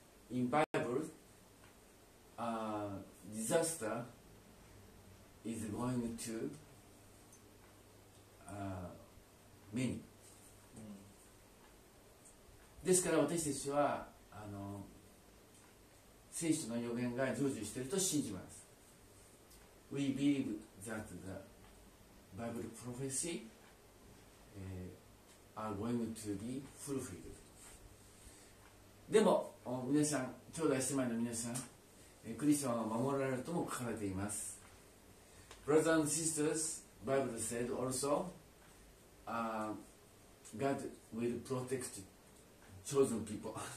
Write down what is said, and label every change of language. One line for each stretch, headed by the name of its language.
English: In Bible, a disaster is going to. Many.
Japanese: ですから私たちは聖書の予言が成就していると信じます。
English: We believe that the Bible prophecy are going to be fulfilled.
Japanese: でも皆さん、兄弟姉妹の皆さん、クリスマスは守られるとも書かれています。
English: Brothers and sisters, Bible said also. God will protect chosen people.